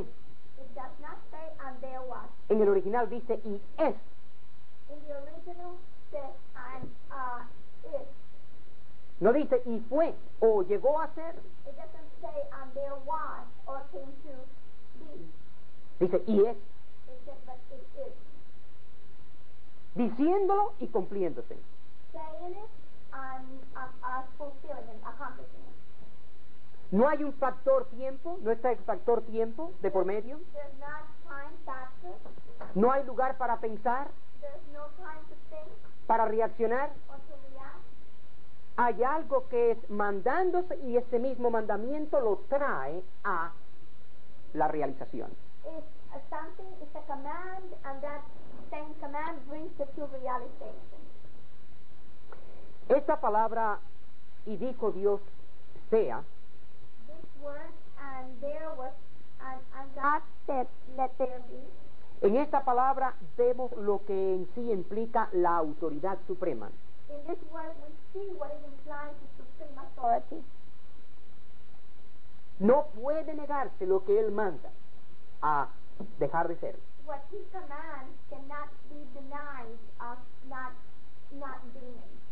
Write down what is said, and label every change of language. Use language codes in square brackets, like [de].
[en] It does not say and there was. [es] En el original dice y es. [en] In the original says and is. [es] No dice y fue o llegó a ser. [en] It doesn't say and there was or came to be. [es] Dice y es. [en] It says but it is. [es] Diciéndolo y cumpliéndose. [en] Saying it and fulfilling it, accomplishing it. [es] No hay un factor tiempo, no está el factor tiempo de por medio. [en] There's not time factor. [es] No hay lugar para pensar. [en] There's no time to think. [es] Para reaccionar. Hay algo que es mandándose y ese mismo mandamiento lo trae a la realización. [en] It's a something, it's a command, and that same command brings it to realization. [es] Esta palabra, y dijo Dios, sea. [en] This word, and there was, and God said, let there be. [es] En esta palabra vemos lo que en sí implica la autoridad suprema. [en] In this word we see what it implies to supreme authority. [es] No puede negarse lo que él manda a dejar de ser. [en] What he commands cannot be denied of not being.